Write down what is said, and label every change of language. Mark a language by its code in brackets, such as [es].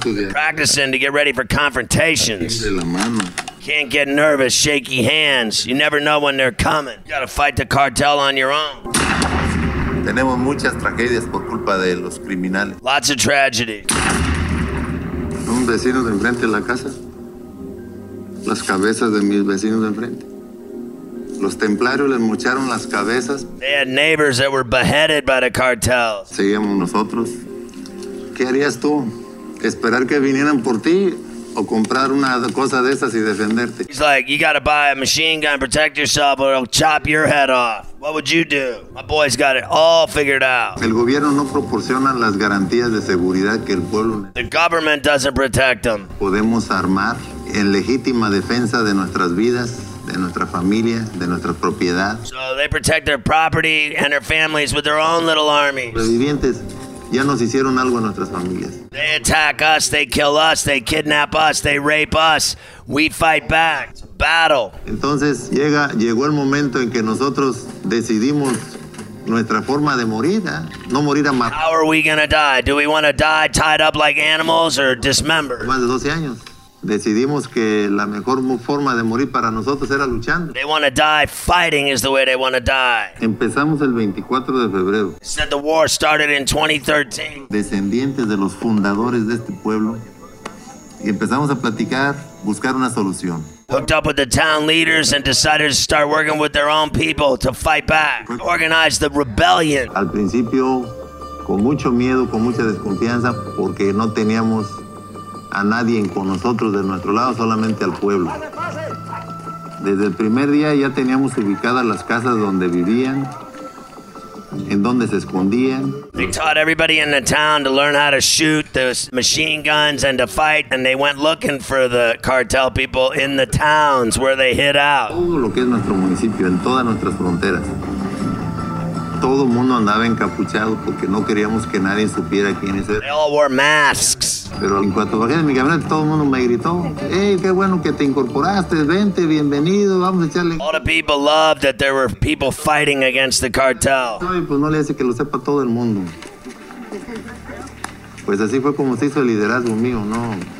[en] Practicing to get ready for confrontations. Can't get nervous, shaky hands. You never know when they're coming. You gotta fight the cartel on your own. [es] Tenemos muchas tragedias por culpa de los criminales. [en] Lots of tragedy. [es] Un vecino de enfrente de la casa. Las cabezas de mis vecinos de enfrente. Los templarios les mocharon las cabezas. [en] They had neighbors that were beheaded by the cartels. [es] Seguimos nosotros. ¿Qué harías tú? ¿Esperar que vinieran por ti? ¿O comprar una cosa de esas y defenderte? [en] He's like, you gotta buy a machine gun, protect yourself, or it'll chop your head off. What would you do? My boy's got it all figured out. [es] El gobierno no proporciona las garantías de seguridad que el pueblo necesita. [en] The government doesn't protect them. [es] Podemos armar en legítima defensa de nuestras vidas, de nuestra familia, de nuestra propiedad. [en] So they protect their property and their families with their own little armies. [es] Revivientes ya nos hicieron algo a nuestras familias. [en] They attack us, they kill us, they kidnap us, they rape us. We fight back. It's a battle. [es] Entonces llegó el momento en que nosotros decidimos nuestra forma de morir, ¿eh? No morir a matar. [en] How are we gonna die? Do we want to die tied up like animals or dismembered? [es] Más de 12 años. Decidimos que la mejor forma de morir para nosotros era luchando. [en] They want to die fighting is the way they want to die. [es] Empezamos el 24 de febrero. [en] It said the war started in 2013. [es] Descendientes de los fundadores de este pueblo. Y empezamos a platicar, buscar una solución. [en] Hooked up with the town leaders and decided to start working with their own people to fight back. Organize the rebellion. [es] Al principio, con mucho miedo, con mucha desconfianza, porque no teníamos a nadie con nosotros de nuestro lado, solamente al pueblo. Desde el primer día ya teníamos ubicadas las casas donde vivían, en donde se escondían. [en] They taught everybody in the town to learn how to shoot the machine guns and to fight, and they went looking for the cartel people in the towns where they hid out. [es] Todo lo que es nuestro municipio, en todas nuestras fronteras. Todo el mundo andaba encapuchado porque no queríamos que nadie supiera quiénes eran. [en] They all wore masks. [es] Pero en cuanto bajé de mi camioneta, todo el mundo me gritó. Hey, qué bueno que te incorporaste. Vente, bienvenido. Vamos a echarle. [en] All the people loved that there were people fighting against the cartel. [es] Ay, pues no le hace que lo sepa todo el mundo. Pues así fue como se hizo el liderazgo mío, ¿no?